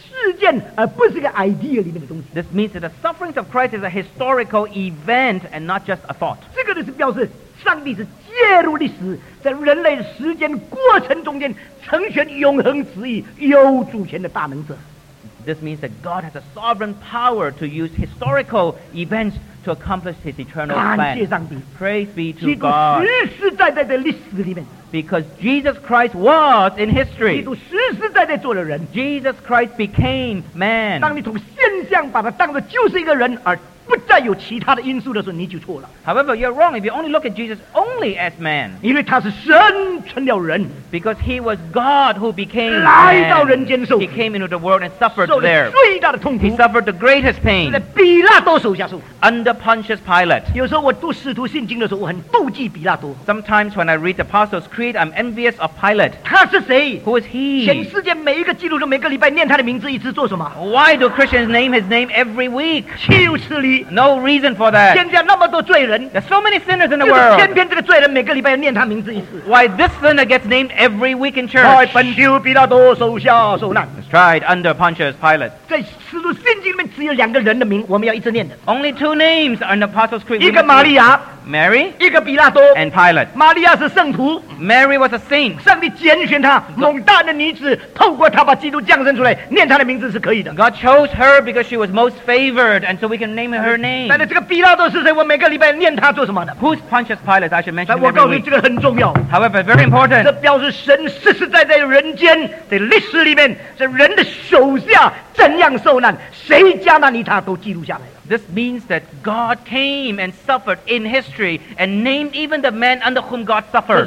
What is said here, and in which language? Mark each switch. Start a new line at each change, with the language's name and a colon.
Chinese: 这是表示的这个苦难是一个历史事件而不是一个
English: idea
Chinese: 里面的东西。
English: This means that the sufferings of Christ is a historical event and not just a thought.
Chinese: 这个就是表示上帝是 介入历史，在人类时间过程中间成全永恒旨意，有主权的大能者。
English: This means that God has a sovereign power to use historical events to accomplish His eternal plan.
Chinese: 感谢上帝,
English: praise be to God.
Chinese: 基督实实在在的历史里面,
English: because Jesus Christ was in history.
Chinese: 基督实实在在做了人,
English: Jesus Christ became man.
Chinese: 当你从现象把他当作就是一个人, 不再有其他的因素的时候，你就错了。
English: However, you're wrong if you only look at Jesus only as man.
Chinese: 因为他是神成了人。
English: Because he was God who became man.
Chinese: 来到人间受苦。
English: He came into the world and suffered there.
Chinese: 受了最大的痛苦。
English: He suffered the greatest pain.
Chinese: 在比拉多手下受苦。
English: Under Pontius Pilate.
Chinese: 有时候我读使徒信经的时候，我很妒忌比拉多。
English: Sometimes when I read the Apostles' Creed, I'm envious of Pilate.
Chinese: 他是谁？
English: Who is he?
Chinese: 全世界每一个基督徒每个礼拜念他的名字，一直做什么？
English: Why do Christians name his name every week?
Chinese: 岂有此理！
English: No reason for that.
Chinese: 现在那么多罪人,
English: there's so many sinners in the world.
Chinese: 偏偏这个罪人每个礼拜要念他名字一次。
English: Why this sinner gets named every week in church?
Chinese: 在本丢比拉多手下受难。
English: tried under Pontius Pilate.
Chinese: 在使徒信经里面只有两个人的名, 我们要一直念的。
English: Only two names are in the Apostles' Creed.
Chinese: 一个玛利亚,
English: Mary,
Chinese: 一个比拉多,
English: and Pilate.
Chinese: 玛利亚是圣徒,
English: Mary was a saint.
Chinese: 上帝拣选她, 猛大的女子, 透过她把基督降生出来, 念她的名字是可以的。
English: God chose her because she was most favored, and so we can name her name.
Chinese: 但是这个比拉多是谁, 我每个礼拜念她做什么呢?
English: Who's Pontius Pilate? I should mention him every week.
Chinese: 这个很重要,
English: However, very important.
Chinese: 这表示神实实在在人间, 在历史里面, 在人的手下, 怎样受难, 谁加难于他, 都记录下来了。
English: This means that God came and suffered in history and named even the man under whom God suffered.